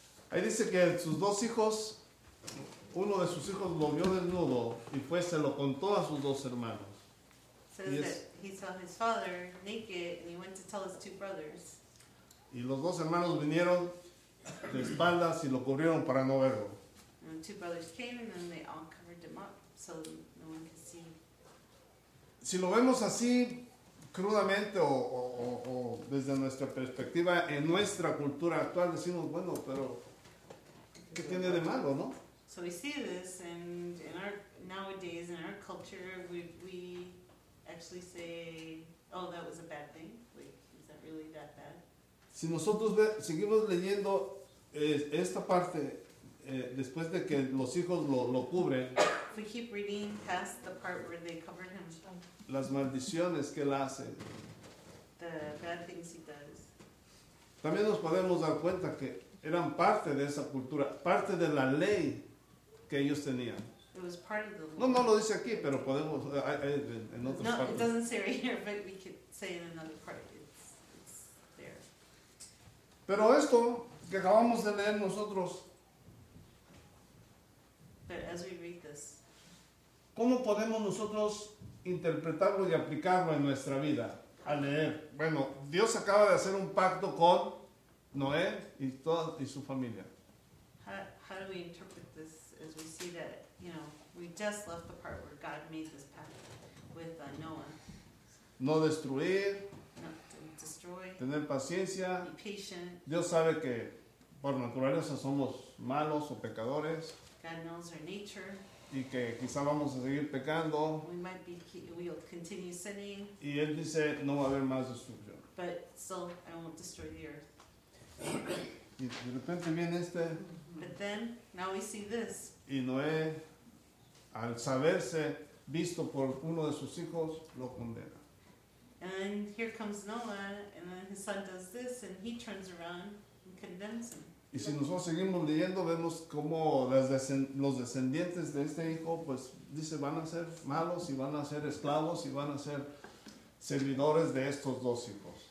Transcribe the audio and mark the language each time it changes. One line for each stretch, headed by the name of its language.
Spanish: Ahí dice que sus dos hijos, uno de sus hijos lo vio desnudo y fue, se lo contó a sus dos hermanos.
English: Says that he saw his father naked and he went to tell his two brothers.
Spanish: Y los dos hermanos vinieron de espaldas y lo cubrieron para no verlo.
English: And two brothers came and then they all covered him up so no one could see.
Spanish: Si lo vemos así, crudamente o desde nuestra perspectiva, en nuestra cultura actual decimos, bueno, pero ¿qué tiene de malo, no?
English: So we see this and in our nowadays in our culture we actually say, oh, that was a bad thing. Like, is that really that bad?
Spanish: Si nosotros seguimos leyendo esta parte después de que los hijos lo cubren,
English: we keep reading past the part where they cover him.
Spanish: Las maldiciones que él hace.
English: The bad things he does.
Spanish: También nos podemos dar cuenta que eran parte de esa cultura, parte de la ley que ellos tenían.
English: It was part of the law.
Spanish: No lo dice aquí, pero podemos en otras partes.
English: No, it doesn't say right here, but we could say in another part. It's there.
Spanish: Pero esto que acabamos de leer nosotros,
English: but as we read this,
Spanish: ¿cómo podemos nosotros interpretarlo y aplicarlo en nuestra vida al leer? Bueno, Dios acaba de hacer un pacto con Noé y toda y su familia.
English: How do we interpret this as we see that, you know, we just left the part where God made this pact with Noah?
Spanish: No destruir.
English: No, don't destroy.
Spanish: Tener paciencia.
English: Be patient.
Spanish: Dios sabe que por naturaleza somos malos o pecadores.
English: God knows our nature.
Spanish: Y que quizá vamos a seguir pecando.
English: We might be, we'll continue sinning.
Spanish: Y él dice, no va a haber más destrucción.
English: But still, I won't destroy the earth.
Spanish: Y de repente viene este.
English: But then, now we see this.
Spanish: Y Noé, al saberse visto por uno de sus hijos, lo condena.
English: And here comes Noah, and then his son does this, and he turns around and condemns him.
Spanish: Y si nosotros seguimos leyendo, vemos cómo los descendientes de este hijo, pues, dice, van a ser malos y van a ser esclavos y van a ser servidores de estos dos hijos.